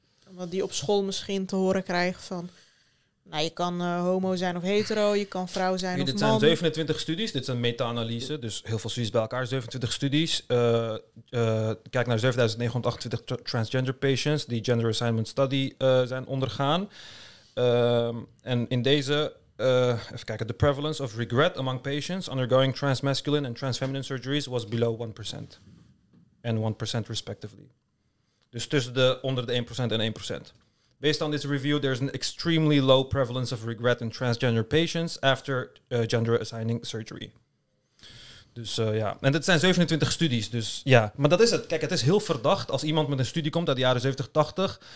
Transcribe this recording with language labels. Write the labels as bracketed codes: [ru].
[nl] Omdat die op school misschien te horen krijgen van, nou, je kan homo zijn of hetero, je kan vrouw zijn of man. Dit zijn 27 studies, dit is een meta-analyse, dus heel veel studies bij elkaar, 27 studies. Kijk naar 7928 transgender patients die gender assignment study zijn ondergaan. En in deze, even kijken, [en] the prevalence of regret among patients undergoing transmasculine and transfeminine surgeries was below 1%. [nl] En 1% respectively. Dus tussen de onder de 1% en 1%. [en] Based on this review, there's an extremely low prevalence of regret in transgender patients after gender assigning surgery. [nl] Dus en dat zijn 27 studies, dus ja. Maar dat is het. Kijk, het is heel verdacht als iemand met een studie komt uit de jaren 70, 80.